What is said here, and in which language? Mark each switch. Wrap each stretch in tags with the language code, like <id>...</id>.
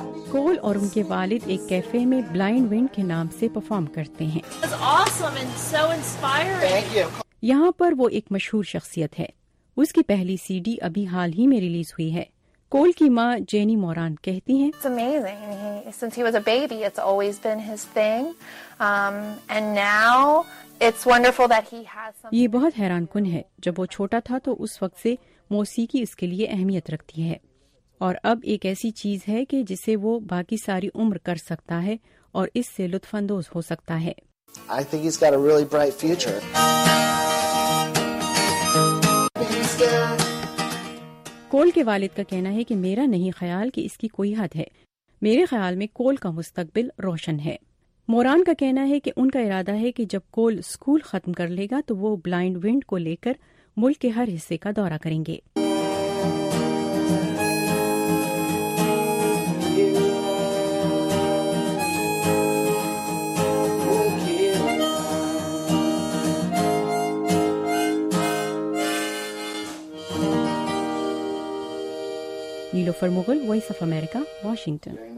<ur>کول اور ان کے والد ایک کیفے میں بلائنڈ ونڈ کے نام سے پرفارم کرتے ہیں۔ یہاں پر وہ ایک مشہور شخصیت ہے۔ اس کی پہلی سی ڈی ابھی حال ہی میں ریلیز ہوئی ہے۔ کول کی ماں جینی موران کہتی ہیں،</ur> <en>It's amazing. Since he was a baby, it's always been his thing. And now it's wonderful that he has something.</en> <ur>یہ بہت حیران کن ہے۔ جب وہ چھوٹا تھا تو اس وقت سے موسیقی اس کے لیے اہمیت رکھتی ہے، اور اب ایک ایسی چیز ہے کہ جسے وہ باقی ساری عمر کر سکتا ہے اور اس سے لطف اندوز ہو سکتا ہے۔</ur> <en>I think he's got a really bright future.</en> <ur>کول کے والد کا کہنا ہے کہ میرا نہیں خیال کہ اس کی کوئی حد ہے، میرے خیال میں کول کا مستقبل روشن ہے۔ موران کا کہنا ہے کہ ان کا ارادہ ہے کہ جب کول سکول ختم کر لے گا تو وہ بلائنڈ ونڈ کو لے کر ملک کے ہر حصے کا دورہ کریں گے۔ نیلوفر Mughal, voice of America, Washington.</ur>